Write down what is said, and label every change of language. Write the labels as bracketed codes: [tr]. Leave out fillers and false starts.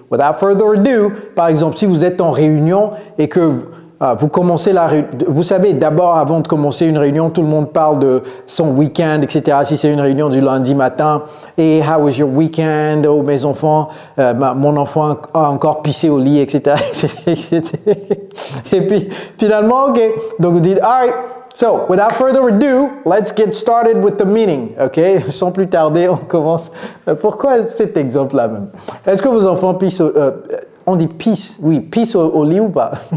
[en] Without further ado, [fr] par exemple, si vous êtes en réunion et que vous commencez la réunion, vous savez, d'abord, avant de commencer une réunion, tout le monde parle de son week-end, etc. Si c'est une réunion du lundi matin, [en] hey, how was your weekend? [fr] Oh, mes enfants, mon enfant a encore pissé au lit, etc. Et puis, finalement, OK. Donc, vous dites, [en] all right. So, without further ado, let's get started with the meeting. [fr] OK? Sans plus tarder, on commence. Pourquoi cet exemple-là même? Est-ce que vos enfants pissent on dit pisse, oui, pisse au lit ou pas?